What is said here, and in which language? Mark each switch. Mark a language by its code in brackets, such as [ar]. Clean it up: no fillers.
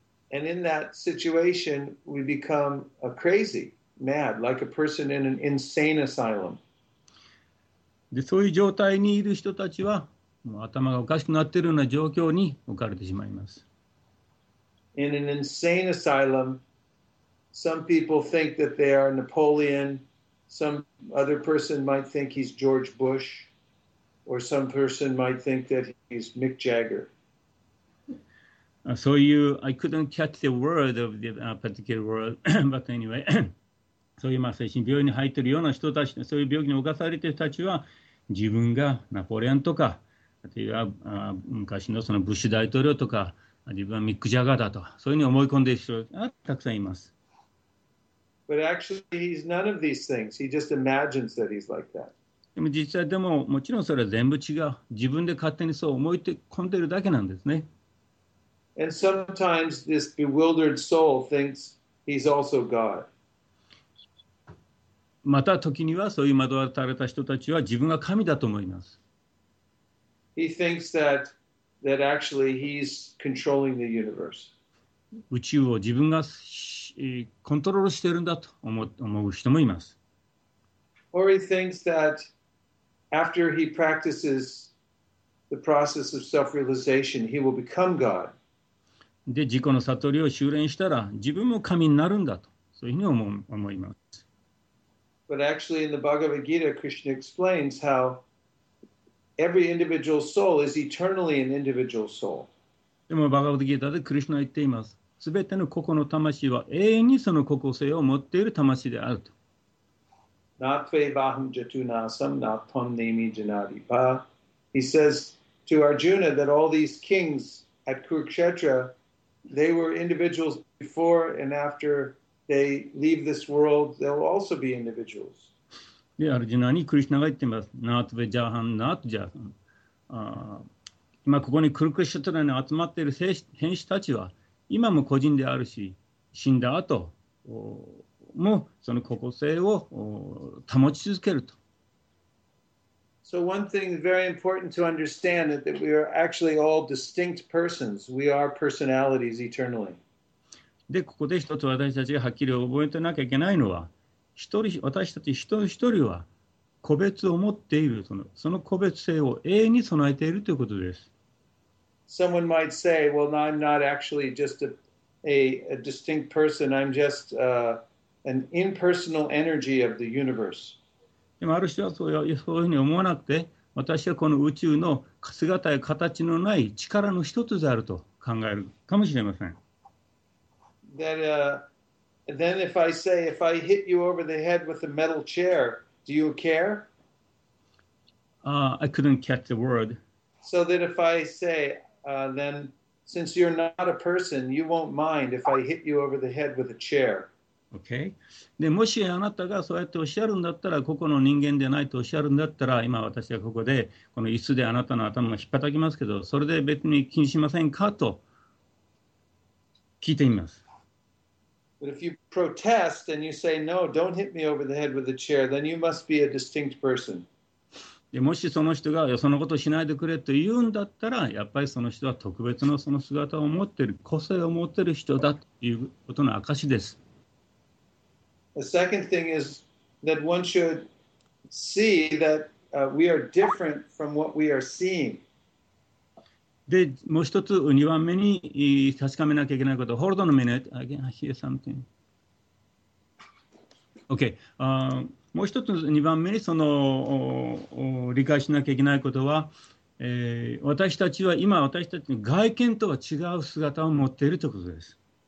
[en] And in that situation, we become a crazy, mad, like a person in an insane asylum. [ja] で、そういう状態にいる人たちは、もう頭がおかしくなっているような状況に置かれてしまいます。 [en] In an insane asylum, some people think that they are Napoleon, some other person might think he's George Bush, or some person might think that he's Mick Jagger. So you, I couldn't catch the word of the particular word, but anyway, [ja] そういうまあ精神病院に入っているような人たち、そういう病気に侵されている人たちは、自分がナポレオンとか、あるいは昔のそのブッシュ大統領とか、自分はミック・ジャガーだと、そういうふうに思い込んでいる人がたくさんいます。 [en] But actually, he's none of these things. He just imagines that he's like that. [ja] でも実際でももちろんそれは全部違う。自分で勝手にそう思い込んでるだけなんですね。 [en] And sometimes this bewildered soul thinks he's also God. [ja] また時にはそういう惑わされた人たちは自分が神だと思います。 [en] He thinks that actually he's controlling the universe. [ja] 宇宙を自分がコントロールしてるんだと思う人もいます。 [en] Or he thinks that after he practices the process of self-realization, he will become God. [ja] で、自己の悟りを修練したら自分も神になるんだと、そういうふうに思います。 [en] But actually in the Bhagavad Gita, Krishna explains how every individual soul is eternally an individual soul. [ja] でも、バガヴァッド・ギーターでクリシュナは言っています。すべての個々の魂は永遠にその個々性を持っている魂であると。なっぺいばはんじゃとなさんなっとんねみじなりぱ。 [en] He says to Arjuna that all these kings at Kurukshetra, they were individuals before and after they leave this world, they'll also be individuals. [ja] で、アルジュナにクリシュナが言っています。ナートヴェジャーハン、ナートヴェジャーハン。今ここにクルクシュトラに集まっている兵士たちは、今も個人であるし、死んだ後もその個々性を保ち続けると。 [en] So one thing very important to understand is that we are actually all distinct persons. We are personalities eternally. [ja] で、ここで一つ私たちがはっきり覚えてなきゃいけないのは、私たち一人一人は個別を持っている、その個別性を永遠に備えているということです。 [en] Someone might say, well, I'm not actually just a distinct person. I'm just an impersonal energy of the universe. [ja] でもある人はそういうふうに思わなくて、私はこの宇宙の姿や形のない力の一つであると考えるかもしれません。 [en] Then if I say, if I hit you over the head with a metal chair, do you care? I couldn't catch the word. So that if I say, then since you're not a person, you won't mind if I hit you over the head with a chair. Okay. [ja] で、もしあなたがそうやっておっしゃるんだったら、ここの人間でないとおっしゃるんだったら、今私はここでこの椅子であなたの頭を引っ叩きますけど、それで別に気にしませんかと聞いてみます。 [en] But if you protest and you say, no, don't hit me over the head with a chair, then you must be a distinct person. [ja] で、もしその人がそのことをしないでくれと言うんだったら、やっぱりその人は特別のその姿を持っている、個性を持っている人だということの証です。 [en] The second thing is that one should see that we are different from what we are seeing. [ja] で、もう一つ、二番目に確かめなきゃいけないこと。 [en] Hold on a minute. Again, I hear something. Okay. [ja] もう一つ、二番目にその理解しなきゃいけないことは、私たちは今、私たちの外見とは違う姿を持っているということです。